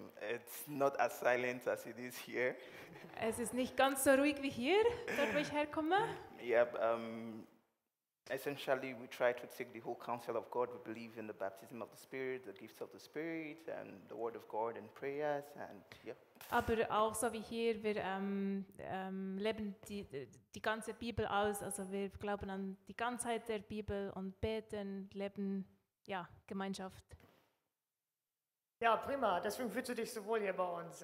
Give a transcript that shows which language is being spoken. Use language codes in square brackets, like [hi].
[en] It's not as silent as it is here. [de] Es ist nicht ganz so ruhig wie hier, dort wo ich herkomme. [en] Yeah, essentially we try to take the whole counsel of God. We believe in the baptism of the Spirit, the gifts of the Spirit, and the Word of God and prayers, and yeah. [de] Aber auch so wie hier, wir leben die ganze Bibel aus, also wir glauben an die Ganzheit der Bibel und beten, leben, ja, Gemeinschaft. Ja, prima. Deswegen fühlst du dich so wohl hier bei uns.